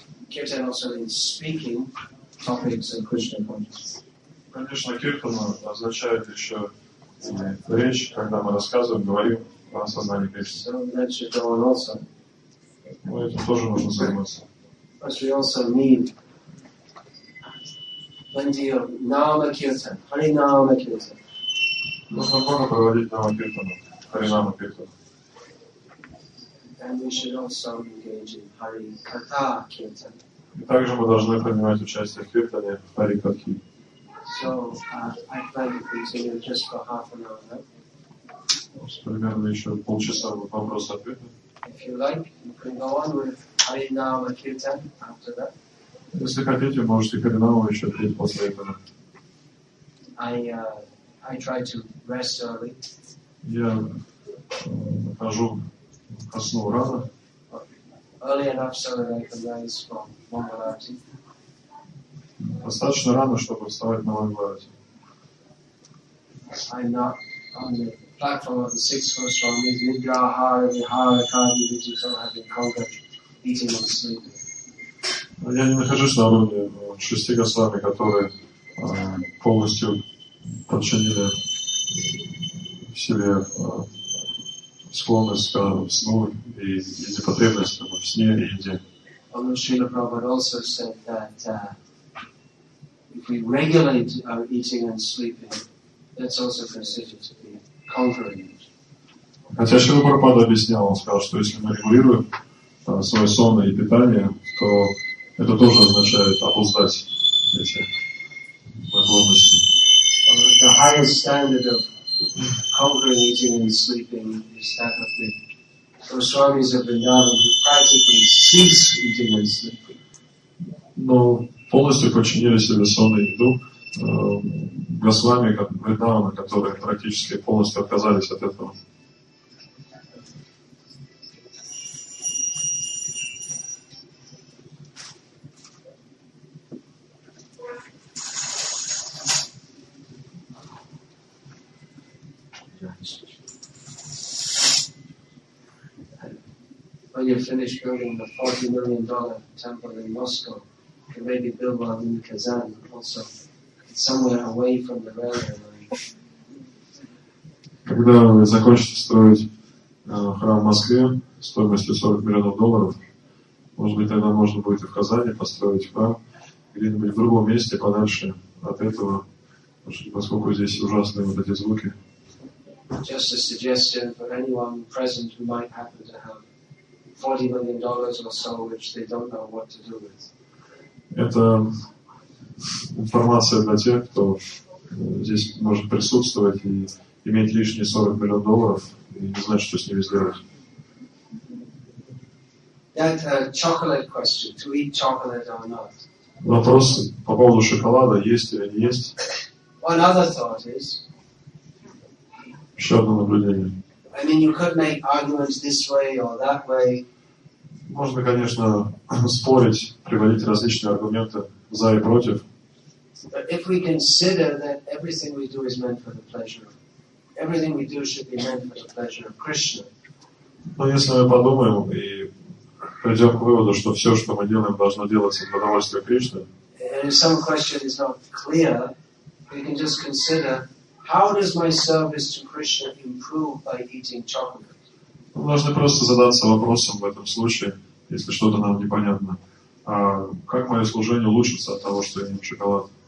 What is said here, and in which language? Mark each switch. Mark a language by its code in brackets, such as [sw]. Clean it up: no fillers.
[en] Kirtan also means speaking topics and Krishna points. [ru] Конечно, киртана означает еще речь, когда мы рассказываем, говорим о сознании Кришны. [en] Also. [ru] Ну, этим тоже нужно заниматься. [en] But we also need plenty of Nama Kirtan, Harinama Kirtan. [ru] Нужно много проводить Нама Киртана, Харинама Киртана. [en] And we should also engage in Hari Katha Kirtan. [ru] И также мы должны принимать участие в Киртане Хари Катхи. [en] So, I plan to continue just for half an hour. [ru] Примерно еще полчаса вопрос ответа. [en] If you like, you can go on with Hari Nama Kirtan after that. [ru] Если хотите, можете Харинаму еще петь после этого. [en] I try to rest early. [ru] Я хожу ко сну рано. [en] Early enough so that I can rise from Mangalarti. [ru] Достаточно рано, чтобы вставать на Мангаларти. [en] I'm not on the platform of the six first from Nidrahara, Vihara, Kadi, which is all have been conquered, eating and sleeping. [ru] Я не нахожусь на уровне шести госвами, которые полностью подчинили себе склонность к сну и непотребность в сне и еде. [en] Шрила Прабхупада also said that if we regulate our eating and sleeping, that's also considered to be conquering it. [ru] Хотя Шрила Прабхупада объяснял, он сказал, что если мы регулируем свое сон и питание, то это тоже означает обуздать эти наклонности. [en] The highest standard of conquering eating and sleeping is that of the Goswamis of Vrindavan who practically cease eating and sleeping. [ru] Но полностью подчинили себе сон и еду Госвами Вриндавана, которые практически полностью отказались от этого. [en] When you finish building the $40 million temple in Moscow, you can maybe build one in Kazan also, somewhere away from the railway line. [ru] Когда вы закончите строить храм в Москве стоимостью $40 миллионов, может быть, тогда можно будет и в Казани построить храм где-нибудь в другом месте подальше от этого, поскольку здесь ужасные вот эти звуки. [en] Just a suggestion for anyone present who might happen to have $40 million or so, which they don't know what to do with. [ru] Это информация для тех, кто здесь может присутствовать и иметь лишние $40 миллионов и не знать, что с ними сделать. [en] That chocolate question: to eat chocolate or not? [ru] Вопрос по поводу шоколада: есть или не есть? [en] One other thought is. [ru] Еще одно наблюдение. [en] I mean, you could make arguments this way or that way. [ru] Можно, конечно, спорить, приводить различные аргументы за и против. [en] But if we consider that everything we do is meant for the pleasure, everything we do should be meant for the pleasure of Krishna. [ru] Но если мы подумаем и придем к выводу, что все, что мы делаем, должно делаться для удовольствия Кришны. [en] And if some question is not clear, we can just consider. How does my service to Krishna improve by eating chocolate? [ru] Мы должны просто задаться вопросом в этом случае, если что-то нам непонятно. Как мое служение улучшится от того, что я ем шоколад?